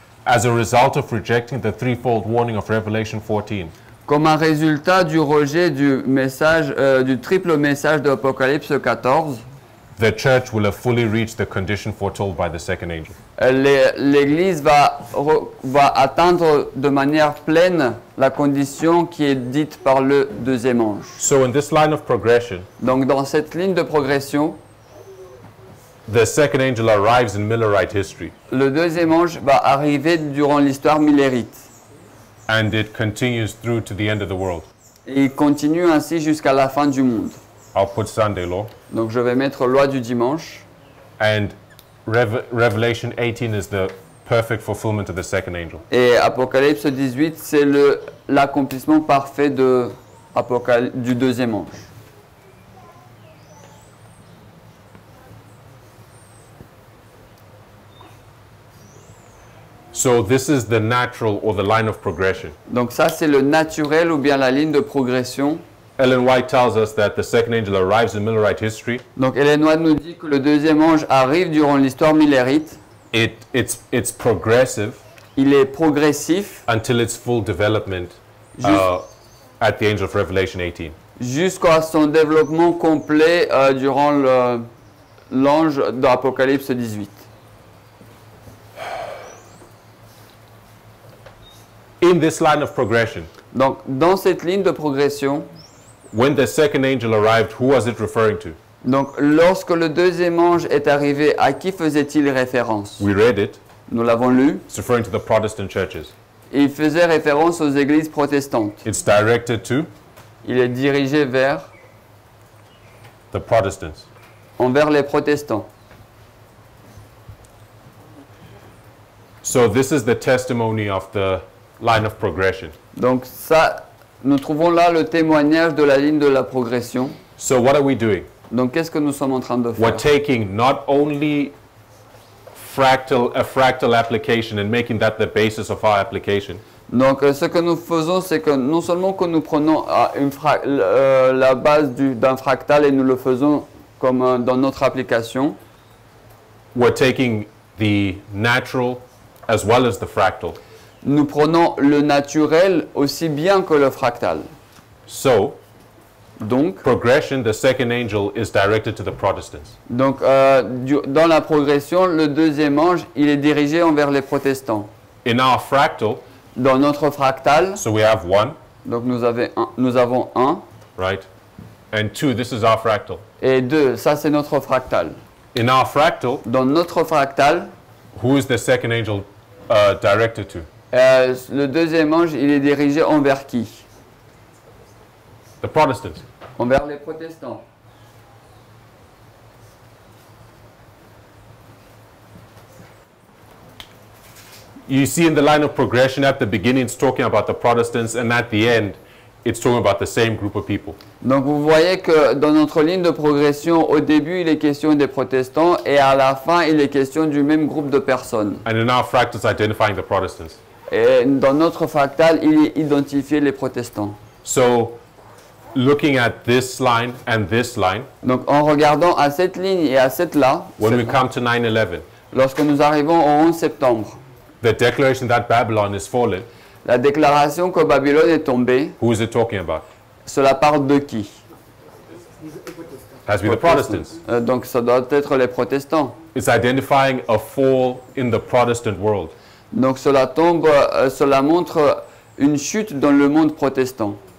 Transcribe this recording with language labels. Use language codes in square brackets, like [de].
[en] as a result of rejecting the threefold warning of Revelation 14, [fr] comme un résultat du rejet du message du triple message de Apocalypse 14, [en] the church will have fully reached the condition foretold by the second angel. [fr] L'Église va atteindre de manière pleine la condition qui est dite par le deuxième ange. [en] So in this line of progression, [fr] donc dans cette ligne de progression, [en] the second angel arrives in Millerite history. [fr] Le deuxième ange va arriver durant l'histoire millérite. [en] And it continues through to the end of the world. [fr] Il continue ainsi jusqu'à la fin du monde. [en] I'll put Sunday law. [fr] Donc je vais mettre loi du dimanche. [en] And Revelation 18 is the perfect fulfillment of the second angel. [fr] Et Apocalypse 18 c'est l'accomplissement parfait du deuxième ange. [en] So this is the natural or the line of progression. [fr] Donc ça c'est le naturel ou bien la ligne de progression. [en] Ellen White tells us that the second angel arrives in Millerite history. [fr] Donc Ellen White nous dit que le deuxième ange arrive durant l'histoire millérite. [en] It's progressive. [fr] Il est progressif. [en] Until its full development at the angel of Revelation 18. [fr] Jusqu'à son développement complet durant l'ange d'Apocalypse 18. [en] In this line of progression. [fr] Donc dans cette ligne de progression. [en] When the second angel arrived, who was it referring to? [fr] Donc, lorsque le deuxième ange est arrivé, à qui faisait-il référence? [en] We read it. [fr] Nous l'avons lu. [en] It's referring to the Protestant churches. [fr] Il faisait référence aux églises protestantes. [en] It's directed to? [fr] Il est dirigé vers? [en] The Protestants. [fr] Envers les protestants. [en] So this is the testimony of the line of progression. [fr] Donc, ça... Nous trouvons là le témoignage de la ligne de la progression. [en] So what are we doing? [fr] Donc qu'est-ce que nous sommes en train de faire? [en] We're taking not only a fractal application and making that the basis of our application. [fr] Donc ce que nous faisons, c'est que non seulement que nous prenons la base d'un fractal et nous le faisons comme dans notre application. [en] We're taking the natural as well as the fractal. [fr] Nous prenons le naturel aussi bien que le fractal. [en] So, [fr] donc, [en] progression, the second angel is directed to the Protestants. [fr] Donc, dans la progression, le deuxième ange, il est dirigé envers les protestants. [en] In our fractal, [fr] dans notre fractal, [en] so we have one, [fr] donc nous avons un. [en] Right. And two, this is our fractal. [fr] Et deux, ça c'est notre fractal. [en] In our fractal, [fr] dans notre fractal, [en] who is the second angel directed to? [fr] Le deuxième ange, il est dirigé envers qui? [en] The Protestants. [fr] Envers les protestants. [en] you see in the line of progression at the beginning, it's talking about the Protestants, and at the end, it's talking about the same group of people. [fr] Donc vous voyez que dans notre ligne de progression, au début il est question des protestants et à la fin il est question du même groupe de personnes. [en] And in our fractals, identifying the Protestants. [fr] Et dans notre fractal, il identifie les protestants. [en] So, looking at this line and this line. [fr] Donc en regardant à cette ligne et à cette là. [en] When we come to 9/11. [fr] Lorsque nous arrivons au 11 septembre. [en] The declaration that Babylon is fallen. [fr] La déclaration que Babylone est tombée. [en] Who is it talking about? [fr] Cela parle de qui? [en] Has to be the Protestants. [fr] Donc ça doit être les protestants. [en] It's identifying a fall in the Protestant world. [fr] Donc cela tombe, cela montre une chute dans le monde protestant.